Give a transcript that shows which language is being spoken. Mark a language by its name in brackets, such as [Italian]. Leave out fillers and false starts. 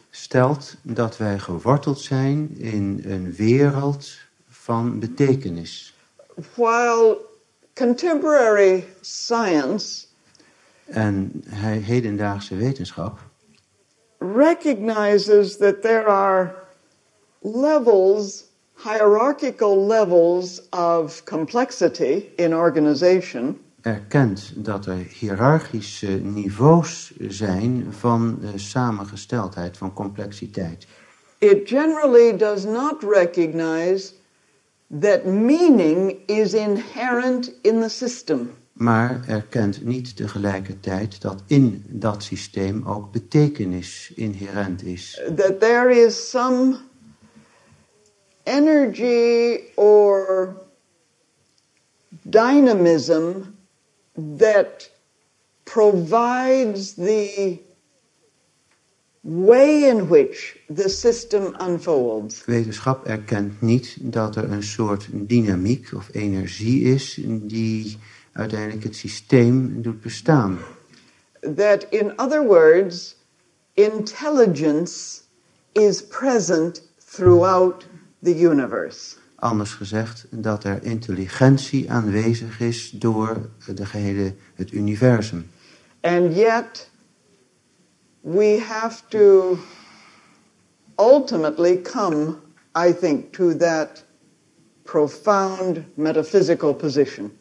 [Dutch] Stelt dat wij geworteld zijn in een wereld van betekenis. [English] While contemporary science [Dutch] en hedendaagse wetenschap [English] recognizes that there are levels, hierarchical levels of complexity in organization. [Dutch] Erkent dat er hiërarchische niveaus zijn van samengesteldheid, van complexiteit. [English] It generally does not recognize that meaning is inherent in the system. [Dutch] Maar erkent niet tegelijkertijd dat in dat systeem ook betekenis inherent is. [English] That there is some energy or dynamism that provides the way in which the system unfolds. [Dutch] Wetenschap erkent niet dat er een soort dynamiek of energie is die uiteindelijk het systeem doet bestaan. [English] That in other words, intelligence is present throughout the universe. [Dutch] Anders gezegd, dat er intelligentie aanwezig is door de gehele, het universum. [English] And yet we have to ultimately come, I think, to that profound metaphysical position.